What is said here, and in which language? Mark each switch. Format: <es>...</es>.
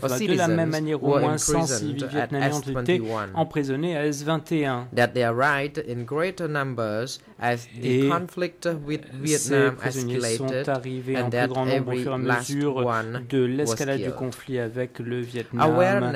<fr>De la même manière, au moins 100 civils vietnamiens ont été emprisonnés à S21.</fr> <en>That they arrived in greater numbers as the conflict with Vietnam escalated,</en> <fr>sont arrivés</fr> <en>and</en> <fr>en plus grand nombre au fur et à mesure de l'escalade du conflit avec le Vietnam.</fr>